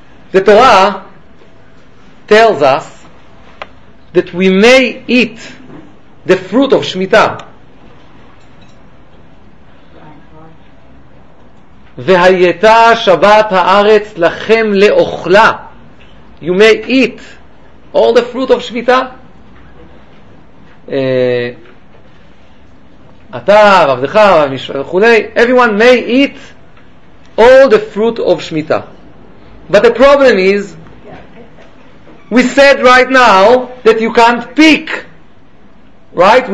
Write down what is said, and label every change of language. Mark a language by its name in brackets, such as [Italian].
[English] The Torah tells us that we may eat the fruit of Shemitah. [Hebrew] והייתה שבת הארץ לכם לאוכלה. [English] You may eat all the fruit of Shemitah. [Hebrew] אתה, עבדך, וכולי, [English] everyone may eat all the fruit of Shemitah. But the problem is, we said right now that you can't pick, right?